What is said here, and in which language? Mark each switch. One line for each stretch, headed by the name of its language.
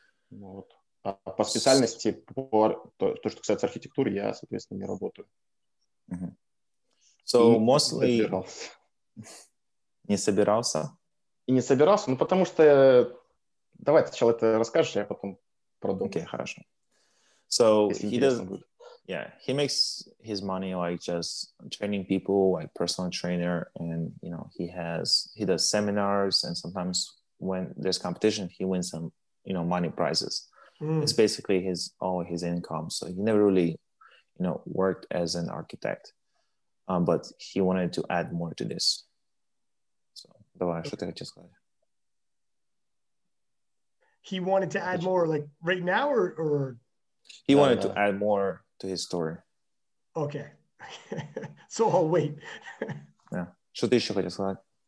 Russian: Вот. А по специальности, то, что касается архитектуры, я, соответственно, не работаю.
English: So, mostly...
Russian: Не собирался? И не собирался, ну, потому что... Давай сначала это расскажешь, я потом продумаю. Окей, хорошо.
English: So, he does... Yeah, he makes his money, like, just training people, like, personal trainer, and, you know, he does seminars, and sometimes when there's competition, he wins some, you know, money prizes. It's basically all his income. So he never really, you know, worked as an architect, but he wanted to add more to this.
Russian: So, давай, что ты хочешь сказать?
English: He wanted to add more, like right now, or he wanted to add more to his story. Okay, so I'll wait.
Russian: Yeah, что ты еще хочешь сказать?